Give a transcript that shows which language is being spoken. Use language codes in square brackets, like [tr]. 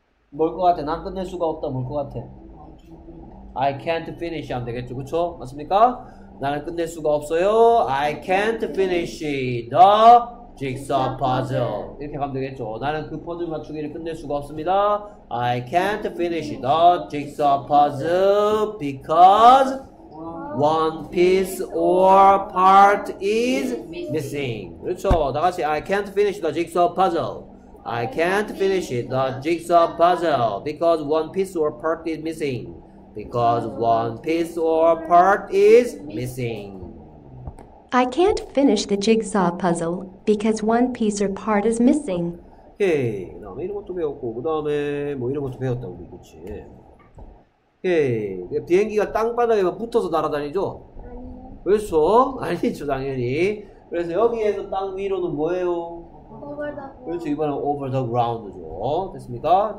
[ko] 뭘 것 같아? 난 끝낼 수가 없다. 뭘 것 같아? [en] I can't finish [ko] 하면 되겠죠. 그렇죠? 맞습니까? 나는 끝낼 수가 없어요. [en] I can't finish the jigsaw puzzle. [ko] 이렇게 가면 되겠죠. 나는 그 퍼즐 맞추기를 끝낼 수가 없습니다. [en] I can't finish the jigsaw puzzle because one piece or part is missing. [ko] 그렇죠. 다 같이 [en] I can't finish the jigsaw puzzle. I can't finish the jigsaw puzzle because one piece or part is missing. Because one piece or part is missing. I can't finish the jigsaw puzzle because one piece or part is missing. [ko] Okay, 그 다음에 이런 것도 배웠고, 그 다음에 뭐 이런 것도 배웠다고, 그치? Okay, 비행기가 땅바닥에 붙어서 날아다니죠? 아니요. 그렇죠? 아니죠, 당연히. 그래서 여기에서 땅 위로는 뭐예요? [en] Over the ground. [ko] 그렇죠, 이번엔 [en] over the ground [ko] 죠. 됐습니까?